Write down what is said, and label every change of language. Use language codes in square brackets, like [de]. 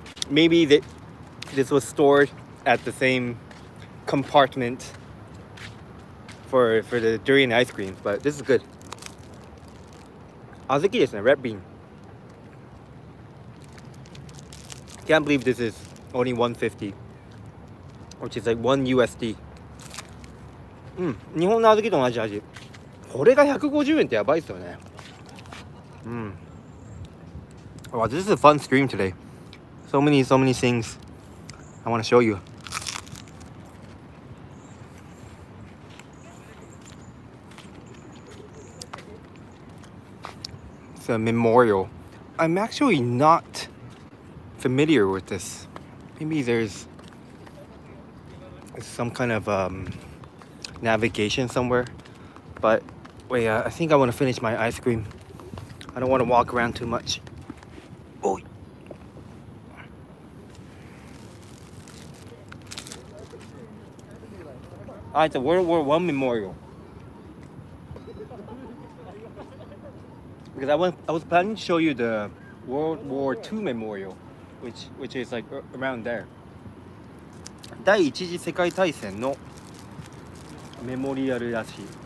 [en] Maybe this was stored at the same compartment. For the durian ice cream, but this is good. Azuki is a red bean. Can't believe this is only 150, which is like $1. [ja] うん、日本の小豆と同じ味。これが150円ってやばいっすよね。 [en] うん。Wow, this is a fun stream today. So many things I want to show you. It's a memorial. I'm actually not familiar with this. Maybe there's some kind of navigation somewhere. But wait, I think I want to finish my ice cream. I don't want to walk around too much. Oh. It's a World War I memorial. Because I was planning to show you the World War II Memorial, which is like around there. [ja] 第一次世界大戦のメモリアルらしい。